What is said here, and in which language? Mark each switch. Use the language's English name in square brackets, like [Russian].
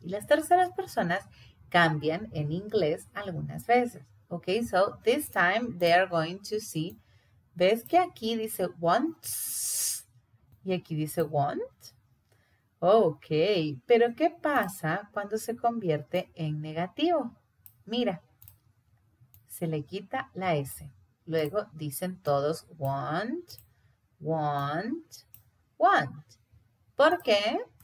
[Spanish] Y las terceras personas cambian en inglés algunas veces. [English] Ok, so this time they are going to see. [Spanish] ¿Ves que aquí dice wants y aquí dice want? Ok, pero ¿qué pasa cuando se convierte en negativo? Mira, se le quita la S. Luego dicen todos want, want, want. ¿Por qué?